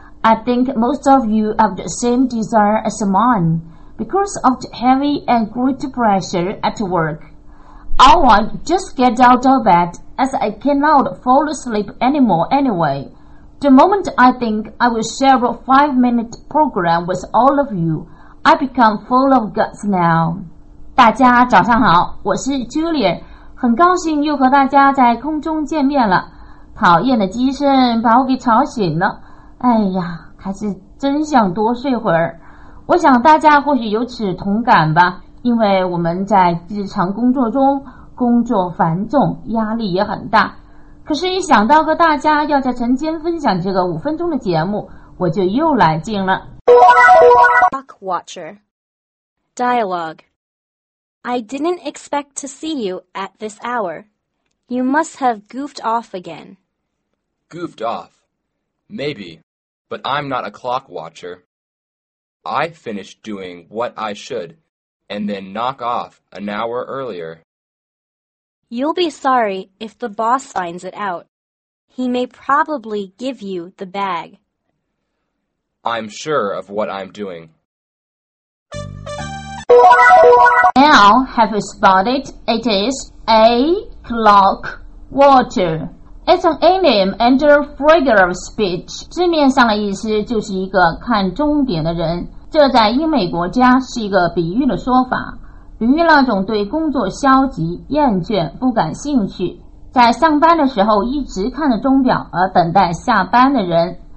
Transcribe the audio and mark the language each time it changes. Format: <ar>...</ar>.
<en>I think most of you have the same desire as mine, because of the heavy and great pressure at work. I want to just get out of bed, as I cannot fall asleep anymore anyway. The moment I think I will share a 5-minute program with all of you, I become full of guts now.</en> <zh>大家早上好，我是 Julia， 很高兴又和大家在空中见面了。讨厌的鸡声把我给吵醒了，哎呀，还是真想多睡会儿。我想大家或许有此同感吧，因为我们在日常工作中，工作繁重，压力也很大。可是一想到和大家要在晨间分享这个5分钟的节目，我就又来劲了。</zh> <en>Clock Watcher Dialogue. I didn't expect to see you at this hour. You must have goofed off again. Goofed off? Maybe, but I'm not a clock watcher. I finish doing what I should, and then knock off an hour earlier. You'll be sorry if the boss finds it out. He may probably give you the bag. I'm sure of what I'm doing. Now, have you spotted? It is a clock watcher. It's an idiom and a figure of speech.</en> <zh>字面上的意思就是一个看钟点的人。这在英美国家是一个比喻的说法。比喻那种对工作消极、厌倦、不感兴趣，在上班的时候一直看着钟表而等待下班的人。</zh>